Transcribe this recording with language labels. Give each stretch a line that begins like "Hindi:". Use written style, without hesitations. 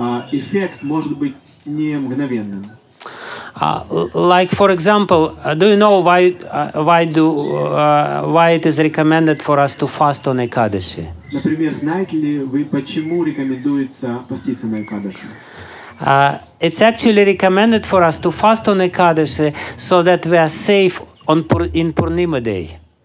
Russian: Эффект может быть не мгновенным.
English: Like for example, do you know why it is recommended for us to fast on Ekadashi?
Russian: Например, знаете ли вы, почему рекомендуется поститься на Экадаши?
English: It's actually recommended for us to fast on Ekadashi so that we are safe in Purnima day.